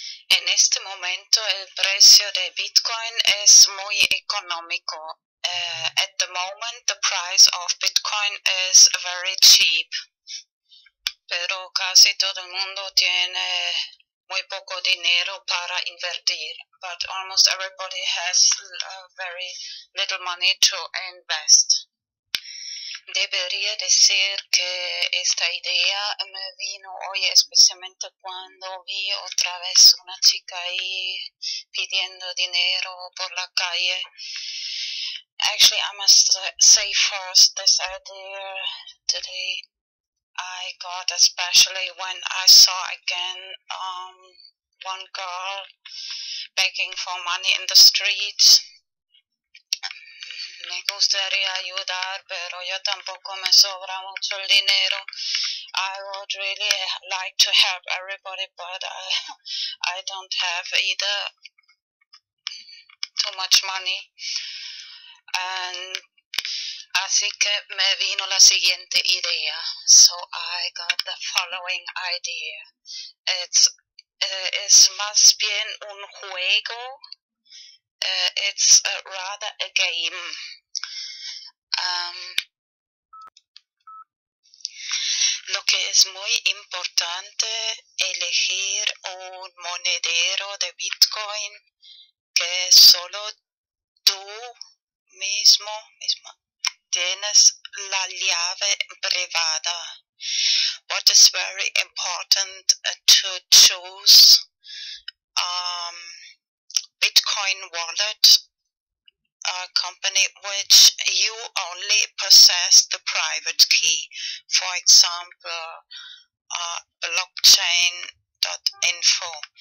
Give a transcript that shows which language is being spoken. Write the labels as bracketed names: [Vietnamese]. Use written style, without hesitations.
[Spanish] En este momento, el precio de Bitcoin es muy económico. [English] At the moment, the price of Bitcoin is very cheap. [Spanish] Pero casi todo el mundo tiene muy poco dinero para invertir. [English] But almost everybody has very little money to invest. [Spanish] Debería decir que esta idea me vino hoy, especialmente cuando vi otra vez una chica ahí pidiendo dinero por la calle. [English] Actually, I must say first this idea today I got, especially when I saw again one girl begging for money in the streets. [Spanish] Me gustaría ayudar, pero yo tampoco me sobra mucho el dinero. [English] I would really like to help everybody, but I don't have either too much money. [Spanish] And así que me vino la siguiente idea. [English] So I got the following idea. It's [Spanish] más bien un juego. [English] It's rather a game. [Spanish] Lo que es muy importante, elegir un monedero de Bitcoin que solo tú mismo tienes la llave privada. [English] What is very important to choose Bitcoin wallet, a company which you only possess the private key, for example, blockchain.info.